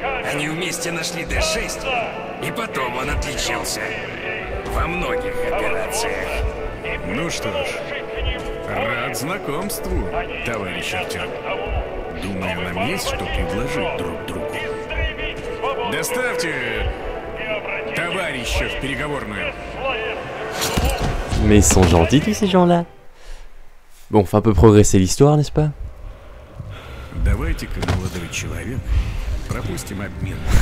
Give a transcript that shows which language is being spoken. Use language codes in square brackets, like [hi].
[ru] Они вместе нашли Д-6, и потом он отличился во многих операциях. Ну что ж, рад знакомству, товарищ Артём. Думаю, нам есть что предложить друг другу. Доставьте товарища в переговорную. [fr] Mais ils sont gentils, tous ces gens-là. Bon, on fait un peu progresser l'histoire, n'est-ce pas? [ru] Давайте-ка, молодой человек, пропустим обмен.